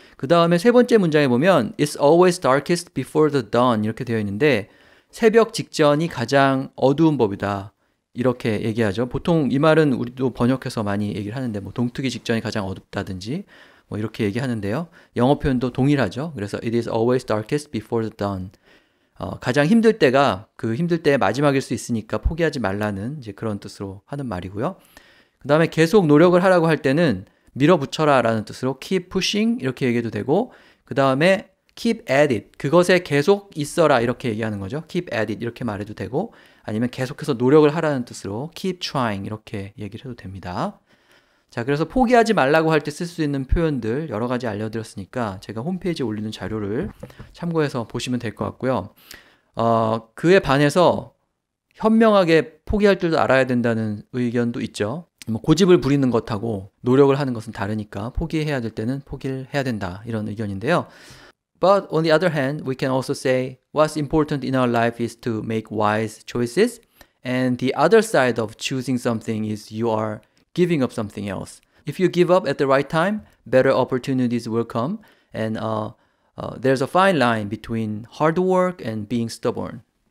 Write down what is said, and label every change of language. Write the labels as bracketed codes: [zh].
[ko] 그 다음에 세 번째 문장에 보면 [en] It's always darkest before the dawn [ko] 이렇게 되어 있는데 새벽 직전이 가장 어두운 법이다 이렇게 얘기하죠. 보통 이 말은 우리도 번역해서 많이 얘기를 하는데 뭐 동트기 직전이 가장 어둡다든지 뭐 이렇게 얘기하는데요. 영어 표현도 동일하죠. 그래서 [en] it is always darkest before the dawn. [ko] 가장 힘들 때가 그 힘들 때의 마지막일 수 있으니까 포기하지 말라는 이제 그런 뜻으로 하는 말이고요. 그다음에 계속 노력을 하라고 할 때는 밀어붙여라라는 뜻으로 [en] keep pushing [ko] 이렇게 얘기해도 되고 그다음에 [en] keep at it. [ko] 그것에 계속 있어라 이렇게 얘기하는 거죠. [en] keep at it [ko] 이렇게 말해도 되고 아니면 계속해서 노력을 하라는 뜻으로 [en] keep trying [ko] 이렇게 얘기를 해도 됩니다. 자, 그래서 포기하지 말라고 할때쓸수 있는 표현들 여러 가지 알려드렸으니까 제가 홈페이지에 올리는 자료를 참고해서 보시면 될것 같고요. 그에 반해서 현명하게 포기할 줄도 알아야 된다는 의견도 있죠. 뭐 고집을 부리는 것하고 노력을 하는 것은 다르니까 포기해야 될 때는 포기를 해야 된다. 이런 의견인데요. [en] But on the other hand, we can also say what's important in our life is to make wise choices, and the other side of choosing something is you are giving up something else. If you give up at the right time, better opportunities will come, and there's a fine line between hard work and being stubborn.